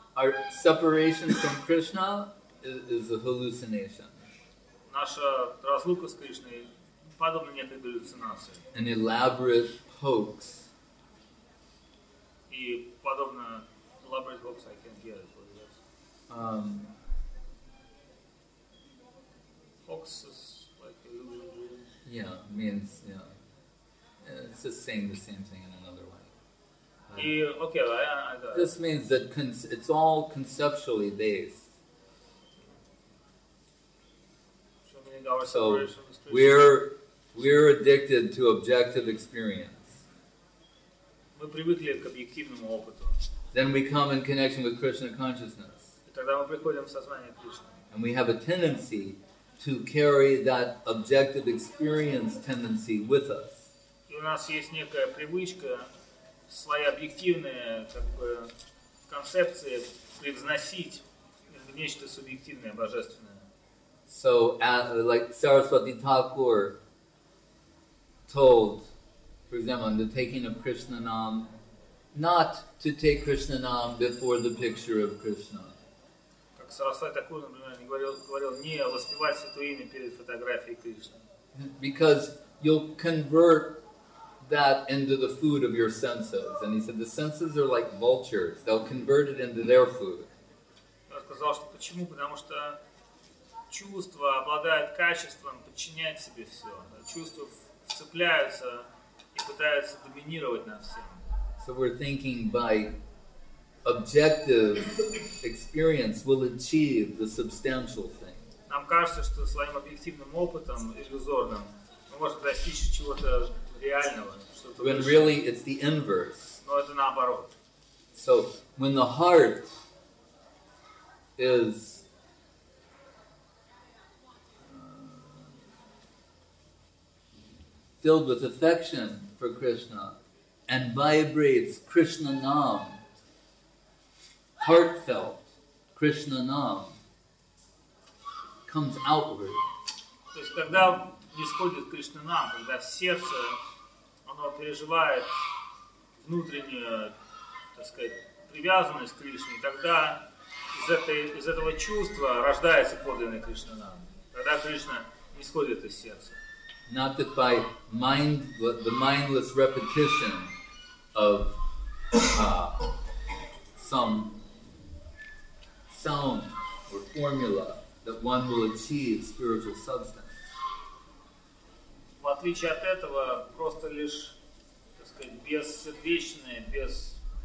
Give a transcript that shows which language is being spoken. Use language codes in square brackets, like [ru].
[en] Our separation from Krishna is a hallucination. [ru] Наша разлука с Кришной подобна некой галлюцинации. [en] An elaborate hoax. [ru] И подобно [en] elaborate hoax, I can't get it, what is that? Hoax is like illusion. Yeah, means, yeah. It's just saying the same thing in another way. I got it. This means that it's all conceptually based. So we're addicted to objective experience. [ru] Мы привыкли к объективному опыту. [en] Then we come in connection with Krishna consciousness. [ru] И тогда мы приходим в сознание Кришны. [en] And we have a tendency to carry that objective experience tendency with us. [ru] У нас есть некая привычка, свои объективные концепции превзносить в нечто субъективное, божественное. [en] So, like Saraswati Thakur told, for example, on the taking of Krishna Nam, not to take Krishna Nam before the picture of Krishna. [ru] Как Сарасвати Такур, например, говорил, не воспевать святое имя перед фотографией Кришны. [en] Because you'll convert that into the food of your senses. And he said, the senses are like vultures. They'll convert it into their food. [ru] Я сказал, что почему? Потому что чувства обладают качеством подчинять себе все. Чувства вцепляются и пытаются доминировать над всем. [en] So we're thinking by objective experience we'll achieve the substantial thing. [ru] Нам кажется, что своим объективным опытом иллюзорным мы можем достичь чего-то реального, [en] when really it's the inverse. [ru] Но это наоборот. [en] So when the heart is filled with affection for Krishna and vibrates Krishna Nam, heartfelt Krishna Nam comes outward. [ru] То есть когда исходит Кришна Нам, когда в сердце оно переживает внутреннюю, так сказать, привязанность к Кришне, тогда из этого чувства рождается подлинный Кришна Нам. Тогда Кришна исходит из сердца. [en] Not that by mind, the mindless repetition of some sound or formula that one will achieve spiritual substance. [ru] В отличие от этого, просто лишь бессердечное, без